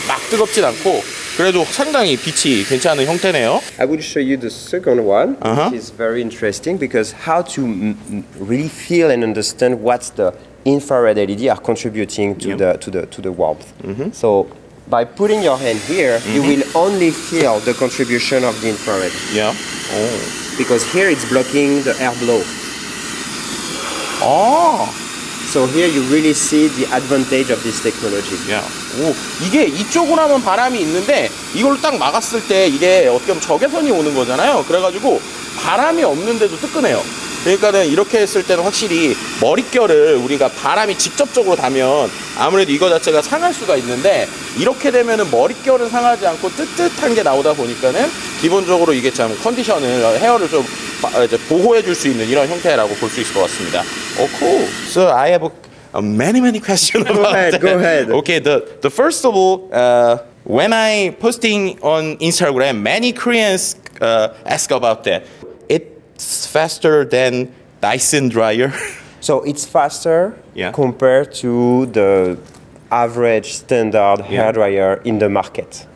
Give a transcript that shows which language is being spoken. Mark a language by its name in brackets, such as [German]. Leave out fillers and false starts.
[Korean] 막 뜨겁진 않고 그래도 상당히 빛이 괜찮은 형태네요. [English] I will show you the second one, which is very interesting because how to really feel and understand what the infrared LED are contributing to the warmth. So by putting your hand here, you will only feel the contribution of the infrared. Because here it's blocking the airflow. So here you really see the advantage of this technology. [Korean] 오, 이게 이쪽으로 하면 바람이 있는데 이걸 딱 막았을 때 이게 어떻게 보면 적외선이 오는 거잖아요. 그래가지고 바람이 없는데도 뜨끈해요. 그러니까는 이렇게 했을 때는 확실히 머릿결을 우리가 바람이 직접적으로 닿으면 아무래도 이거 자체가 상할 수가 있는데 이렇게 되면은 머릿결은 상하지 않고 뜨뜻한 게 나오다 보니까는 기본적으로 이게 참 컨디션을 헤어를 좀 이제 보호해 줄 수 있는 이런 형태라고 볼 수 있을 것 같습니다. [English] Oh, cool. So I have many questions about Go ahead. Okay, the first of all, when I posting on Instagram, many Koreans ask about that. It's faster than Dyson dryer. So it's faster compared to the average standard hair dryer in the market.